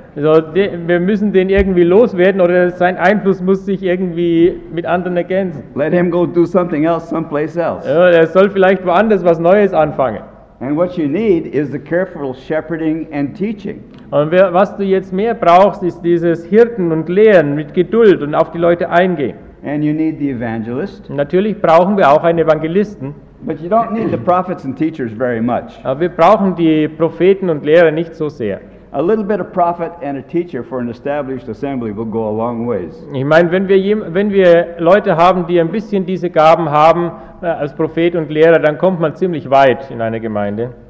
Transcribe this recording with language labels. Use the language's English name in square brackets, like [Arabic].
[German] So, wir müssen den irgendwie loswerden oder sein Einfluss muss sich irgendwie mit anderen ergänzen. [English] Let him go do something else someplace else. [German] Ja, er soll vielleicht woanders was Neues anfangen. [English] And what you need is the careful shepherding and teaching. [German] Und was du jetzt mehr brauchst, ist dieses Hirten und Lehren mit Geduld und auf die Leute eingehen. [English] And you need the evangelist. [German] Natürlich brauchen wir auch einen Evangelisten. [English] But you don't need the prophets and teachers very much. [German] Aber wir brauchen die Propheten und Lehrer nicht so sehr. [English] A little bit of prophet and a teacher for an established assembly will go a long ways. [German] Ich meine, wenn wir Leute haben, die ein bisschen diese Gaben haben, als Prophet und Lehrer, dann kommt man ziemlich weit in einer Gemeinde.